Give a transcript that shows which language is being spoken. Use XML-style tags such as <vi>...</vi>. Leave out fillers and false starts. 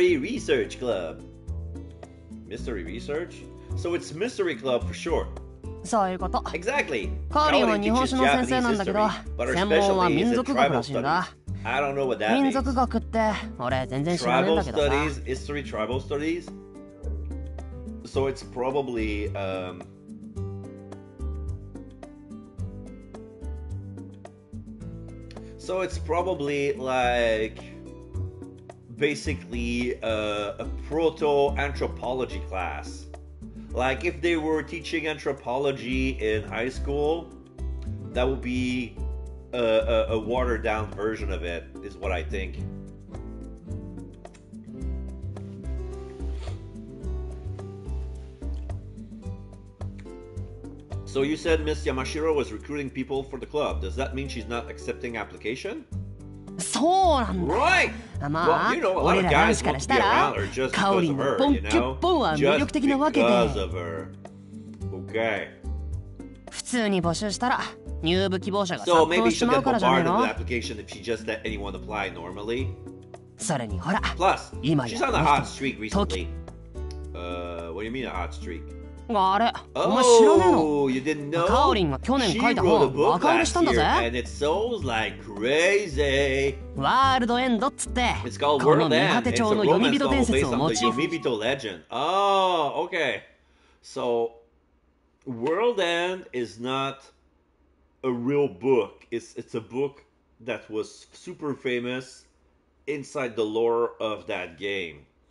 <ja>ミステリーリサーチクラブ。ミステリーリサーチ？</ja> <en>So it's mystery club for short。</en> <ja>そういうこと。</ja> <en>Exactly。</en> <ja>カーリーは日本史の先生なんだけど、専門は民族学らしいんだ。</ja> <en>I don't know what that means.</en> <ja>民族学って、俺全然知らないんだけどさ。</ja> <en>Tribal studies? History tribal studies? So it's probably, so it's probably like basically a proto-anthropology class. Like if they were teaching anthropology in high school, that would be a watered down version of it, is what I think. So you said Miss Yamashiro was recruiting people for the club. Does that mean she's not accepting application?</en> <ja>そうなんだ。</ja> <en>Right! Well, you know, a lot of guys want to be around her just because of her, you know? Just because of her. Okay.</en> <ja>普通に募集したら、入部希望者が殺到しまうからじゃないの?</ja> <en>So maybe she'll get bombarded with application if she just let anyone apply normally.</en> <ja>それにほら、</ja> <en>Plus, she's on a hot streak recently. What do you mean a hot streak?</en> <ja>あれ、お前知らねえの、</ja> <en>you didn't know?</en> <ja>カオリンが去年書いた本、バカ売れしたんだぜ。</ja> <en>And it sounds like crazy.</en> <ja>ワールドエンドっつって、</ja> <en>It's called World End.</en> <ja>この見果て帳の読み人伝説をモチーフ。</ja> <en>It's a romance novel based on the 読み人 legend. Oh, okay. So, World End is not a real book. It's a book that was super famous inside the lore of that game.</en>